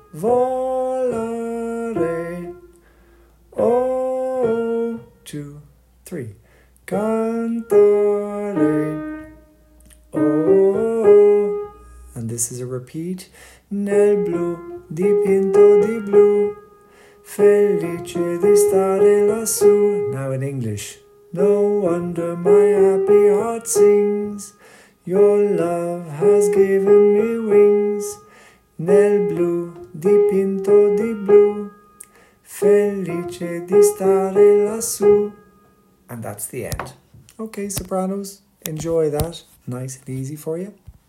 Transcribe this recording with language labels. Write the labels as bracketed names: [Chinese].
[Italian] Volare. Oh, 2, 3. [English] Cantare. Oh, and this is a repeat. [Italian] Nel blu, dipinto di blu, felice di stare lassù. [English] Now in English. No wonder my happy heart sings, your love has given me wings. [Italian] Nel blu, dipinto di blu, felice di stare lassù. [English] And that's the end. Okay, Sopranos, enjoy that. Nice and easy for you.